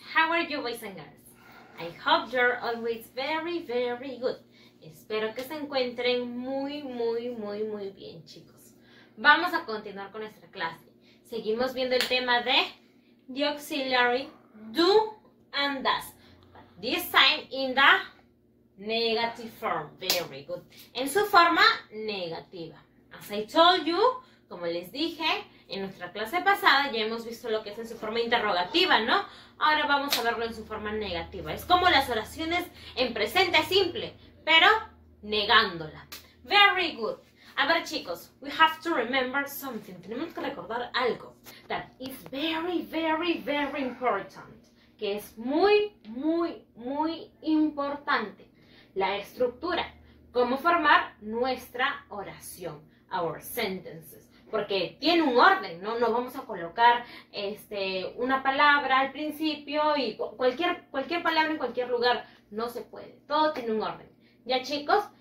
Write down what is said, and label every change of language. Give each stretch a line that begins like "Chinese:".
English: How are you, boys and girls? I hope you're always very, very good.
Spanish: Espero que se encuentren muy, muy, muy, muy bien, chicos. Vamos a continuar con nuestra clase. Seguimos viendo el tema de
English: the auxiliary do and does. But this time in the negative form. Very good.
Spanish: En su forma negativa.
English: As I told you,
Spanish: como les dije, en nuestra clase pasada ya hemos visto lo que es en su forma interrogativa, ¿no? Ahora vamos a verlo en su forma negativa. Es como las oraciones en presente simple, pero negándola.
English: Very good.
Spanish: A ver, chicos,
English: we have to remember something.
Spanish: Tenemos que recordar algo.
English: That is very, very, very important.
Spanish: Que es muy, muy, muy importante. La estructura. Cómo formar nuestra oración.
English: Our sentences.
Spanish: Porque tiene un orden, ¿no? No vamos a colocar una palabra al principio y cualquier palabra en cualquier lugar. No se puede. Todo tiene un orden. ¿Ya, chicos?